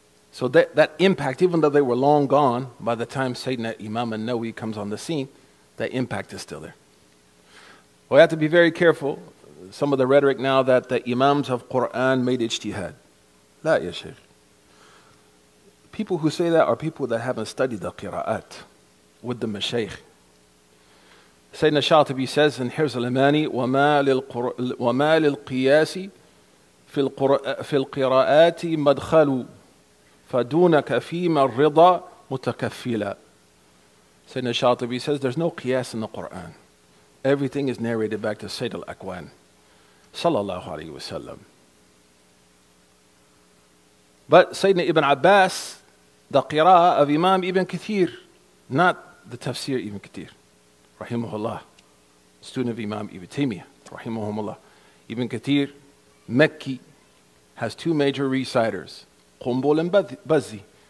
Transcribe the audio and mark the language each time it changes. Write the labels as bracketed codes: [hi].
[en] So that impact, even though they were long gone, by the time Sayyidina Imam An-Nawawi comes on the scene, that impact is still there. Well, we have to be very careful. Some of the rhetoric now that the Imams of Quran made ijtihad. [ar] La ya shaykh. [en] People who say that are people that haven't studied the qira'at with the mashaykh. [ar] Sayyidina Shatibi says in Hirz al-Imani, وَمَا لِلْقِيَاسِ فِي الْقِرَاءَاتِ مَدْخَلُ فَدُونَكَ فِيمَ الرِّضَى مُتَكَفِّلًا. [en] Sayyidina Shatibi says, there's no qiyas in the Qur'an. Everything is narrated back to Sayyid al-Akwan, sallallahu alayhi wa sallam. But Sayyidina Ibn Abbas, the qira'ah of Imam Ibn Kathir, not the tafsir Ibn Kathir, rahimahullah, student of Imam Ibn Taymiyyah, rahimahumullah, Ibn Kathir, Mekki, has two major reciters, Qumbul and Bazzi.